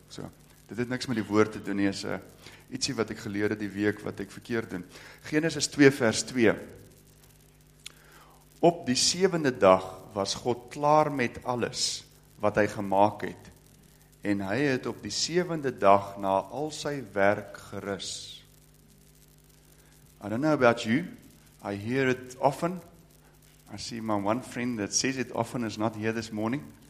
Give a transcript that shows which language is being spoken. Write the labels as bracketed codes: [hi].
[af] So, dit het niks met die woord te doen, nie, is ietsie wat ek geleer het die week, wat ek verkeerd doen. Genesis 2 vers 2. Op die 7de dag was God klaar met alles wat hy gemaak het. En hy het op die 7de dag na al sy werk gerus. [en] I don't know about you. I hear it often. I see my one friend that says it often is not here this morning.